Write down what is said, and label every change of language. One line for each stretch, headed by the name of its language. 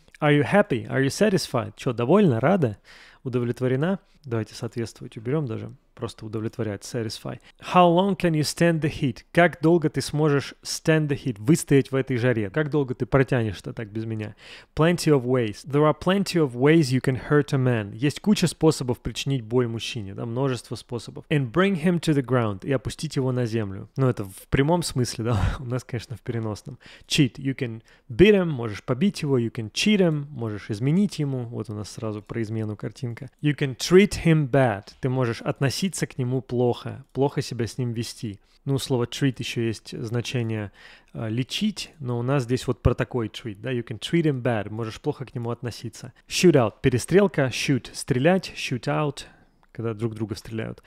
English: Are you happy? Are you satisfied?
Russian: Че, довольна, рада, удовлетворена? Давайте соответствовать уберем даже. Просто удовлетворять, satisfy.
English: How long can you stand the heat?
Russian: Как долго ты сможешь
English: stand the heat,
Russian: выстоять в этой жаре? Как долго ты протянешь-то так без меня?
English: Plenty of ways. There are plenty of ways you can hurt a man.
Russian: Есть куча способов причинить боль мужчине, да, множество способов.
English: And bring him to the ground.
Russian: И опустить его на землю. Ну, это в прямом смысле, да, у нас, конечно, в переносном.
English: Cheat. You can beat him,
Russian: можешь побить его.
English: You can cheat him,
Russian: можешь изменить ему. Вот у нас сразу про измену картинка.
English: You can treat him bad.
Russian: Ты можешь относиться к нему плохо, плохо себя с ним вести. Ну, слово treat еще есть значение лечить, но у нас здесь вот про такой treat, да,
English: you can treat him bad,
Russian: можешь плохо к нему относиться. Shoot out, перестрелка, shoot, стрелять, shoot out, когда друг друга стреляют.